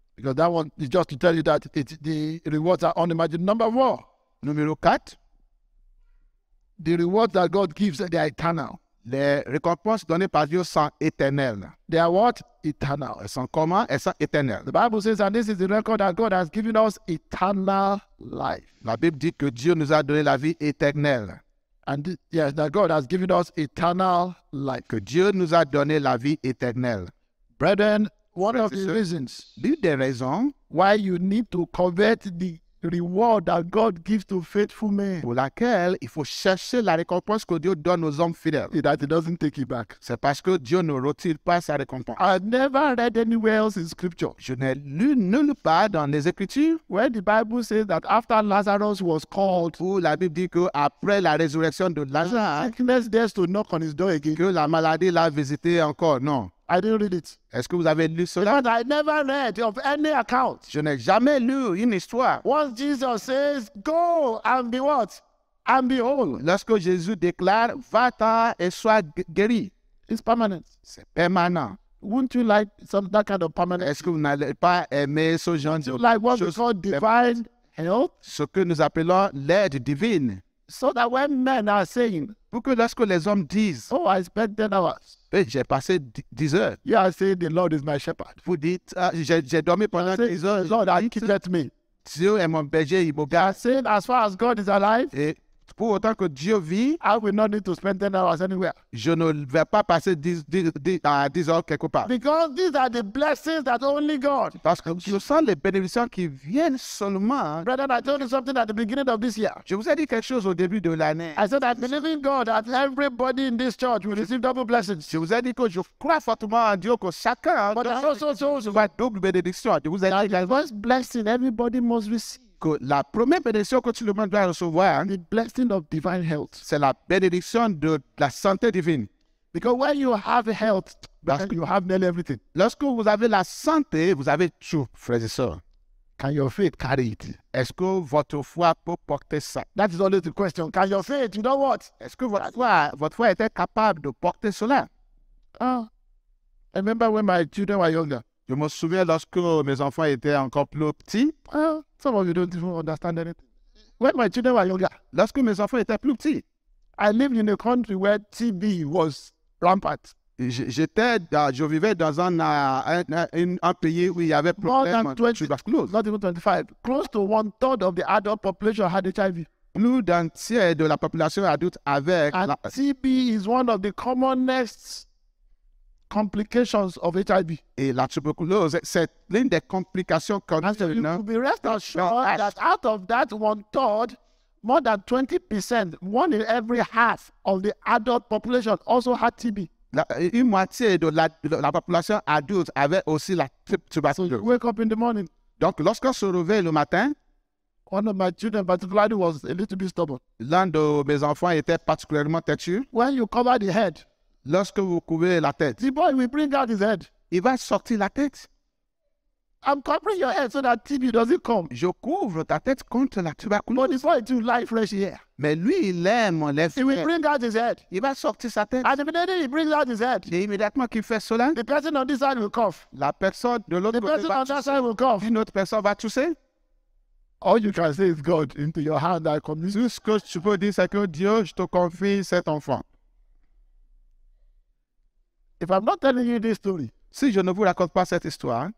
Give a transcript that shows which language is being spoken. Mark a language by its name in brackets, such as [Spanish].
[English] Because that one is just to tell you that the rewards are unimaginable. [French] Numéro 4. [English] The rewards that God gives, they are eternal. [French] Les récompenses données par Dieu sont éternelles. [English] They are what? Eternal. [French] Elles sont comment? Elles sont éternelles. [English] The Bible says, and this is the record that God has given us eternal life. [French] La Bible dit que Dieu nous a donné la vie éternelle. [English] And yes, that God has given us eternal life. [French] Que Dieu nous a donné la vie éternelle. [English] Brethren, one of the reasons. [French] L'une des raisons. [English] Why you need to convert the reward that God gives to faithful men. [French] Pour laquelle il faut chercher la récompense que Dieu donne aux hommes fidèles. [English] That he doesn't take it back. [French] C'est parce que Dieu ne retire pas sa récompense. [English] I've never read anywhere else in scripture. [French] Je n'ai lu nulle part dans les écritures. [English] Where the Bible says that after Lazarus was called. [French] Où la Bible dit que après la résurrection de Lazare. [English] Sickness dares to knock on his door again. [French] Que la maladie l'a visité encore, non. [English] I didn't read it. [French] Est-ce que vous avez lu cela? [English] But I never read of any account. [French] Je n'ai jamais lu une histoire. [English] Once Jesus says, go and be what? And be whole. [French] Lorsque Jésus déclare, va-t'en et sois guéri. [English] It's permanent. [French] C'est permanent. [English] Wouldn't you like some that kind of permanent? [French] Est-ce que vous n'allez pas aimer ce genre de [English] like what we call divine health? [French] Ce que nous appelons l'aide divine. [English] So that when men are saying, [French] pour que lorsque les hommes disent, [English] oh, I spent 10 hours. [French] J'ai passé 10 heures. [English] You are saying the Lord is my shepherd. [French] Vous dites, j'ai dormi pendant 10 heures. [English] Lord, I keep at me. [French] Dieu est mon berger, il me garde. [English] Saying, as far as God is alive. [French] Et Pour autant que Dieu vit, [English] I will not need to spend 10 hours anywhere. [French] Je ne vais pas passer 10 heures quelque part. [English] Because these are the blessings that only God. [French] Parce que je sens les bénédictions qui viennent seulement. [English] Brother, I told you something at the beginning of this year. [French] Je vous ai dit quelque chose au début de l'année. [English] I said I believe in God that everybody in this church will receive double blessings. [French] Je vous ai dit que je crois fortement en Dieu que chacun aura double bénédiction. Je vous ai dit [English] la first blessing everybody must receive. [French] Que la première bénédiction que tout le monde doit recevoir, [English] the blessing of divine health, [French] c'est la bénédiction de la santé divine. [English] Because when you have health, you have nearly everything. [French] Lorsque vous avez la santé, vous avez tout, frères et sœurs. [English] Can your faith carry it? [French] Est-ce que votre foi peut porter ça? [English] That is only the question. Can your faith, you know what? [French] Est-ce que votre foi était capable de porter cela? [English] Oh, I remember when my children were younger. [French] Je me souviens lorsque mes enfants étaient encore plus petits. [English] Well, some of you don't even understand anything. When my children were younger, [French] lorsque mes enfants étaient plus petits, [English] I lived in a country where TB was rampant. [French] Je vivais dans un pays où il y avait probablement tuberculose. [English] Not even 25. Close to one third of the adult population had HIV. [French] Plus d'un tiers de la population adulte avait. [English] And TB is one of the commonest complications of HIV. [French] Et la tuberculose, c'est l'une des complications contre. [English] You could be rest assured that out of that one third, more than 20%, one in every half of the adult population also had TB. [French] Une moitié de la population adulte avait aussi la tuberculose. [English] So wake up in the morning. [French] Donc, lorsqu'on se réveille le matin, [English] one of my children particularly was a little bit stubborn. [French] L'un de mes enfants était particulièrement têtu. [English] When you cover the head, [French] lorsque vous couvrez la tête, [English] the boy will bring out his head. [French] Il va sortir la tête. [English] I'm covering your head so that TB doesn't come. [French] Je couvre ta tête contre la tuberculose. [English] But the boy too like fresh air. [French] Mais lui, il aime l'air frais. [English] He will bring out his head. [French] Il va sortir sa tête. [English] And immediately he brings out his head. [French] Et immédiatement qu'il fait cela, [English] the person on this side will cough. [French] La personne de l'autre côté va tousser. [English] The person on that side will cough. [French] Une autre personne va tousser. [English] All you can say is God into your hand I commit. [French] Tout ce que tu peux dire c'est que Dieu, je te confie cet enfant. [English] If I'm not telling you this story, [French] si je ne vous raconte pas cette histoire,